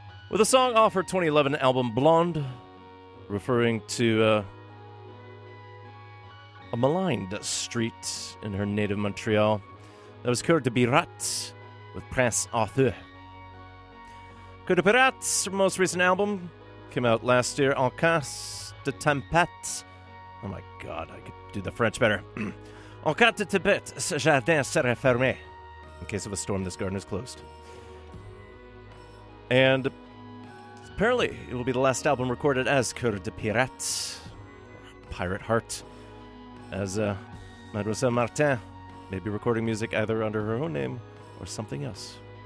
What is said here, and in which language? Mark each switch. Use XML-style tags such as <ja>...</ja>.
<en>With a song off her 2011 album Blonde, referring to a maligned street in her native Montreal that was Cœur de Pirat with Prince Arthur. Cœur de Pirat's most recent album came out last year, En Casse de Tempête. Oh my god, I could do the French better.</en> <fr>En cas de tempête, ce jardin serait fermé.</fr> <en>In case of a storm, this garden is closed. And apparently, it will be the last album recorded as Cœur de Pirat, Pirate Heart, as Mademoiselle Martin may be recording music either under her own name or something else.</en>